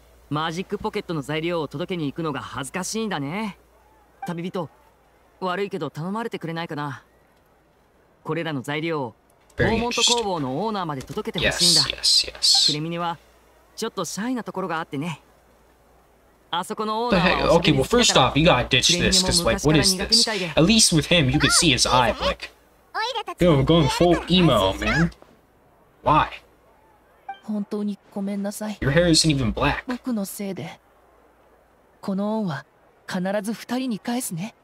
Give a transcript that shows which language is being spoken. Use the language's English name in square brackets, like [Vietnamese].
[Japanese] マジックポケットの材料を届けに行くのが恥ずかしいんだね。旅人、悪いけど頼まれてくれないかな。これらの材料をボーモント工房のオーナーまで届けてほしいんだ。クレミニはちょっとシャイなところがあってね。あそこのオーナーは。 [English] Okay, well, first off, you gotta ditch this, cause like, what is this? At least with him, you could see his eye, but like, yo, I'm going full emo, man. Why? [Japanese] 本当にごめんなさい。 [English] Your hair isn't even black. [Japanese] 僕のせいで、この恩は必ず二人に返すね。